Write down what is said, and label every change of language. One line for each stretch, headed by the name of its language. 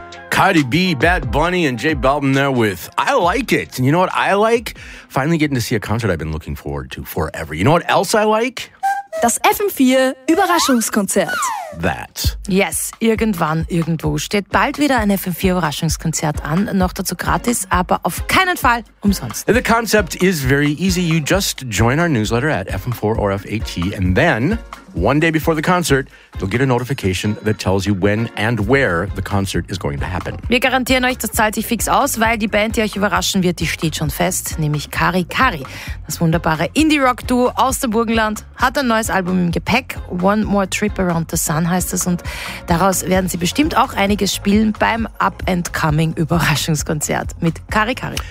English: Cardi B, Bad Bunny, and J Balvin there with I Like It. And you know what I like? Finally getting to see a concert I've been looking forward to forever. You know what else I like?
German: Das FM4 Überraschungskonzert.
English: That.
German: Yes, irgendwann, irgendwo steht bald wieder ein FM4 Überraschungskonzert an. Noch dazu gratis, aber auf keinen Fall umsonst.
English: The concept is very easy. You just join our newsletter at FM4 or FAT and then one day before the concert, you'll get a notification that tells you when and where the concert is going to happen.
German: Wir garantieren euch, das zahlt sich fix aus, weil die Band, die euch überraschen wird, die steht schon fest, nämlich Kari Kari. Das wunderbare Indie-Rock-Duo aus dem Burgenland hat ein neues Album im Gepäck. One More Trip Around the Sun heißt es und daraus werden sie bestimmt auch einiges spielen beim Up-and-Coming Überraschungskonzert mit Kari Kari.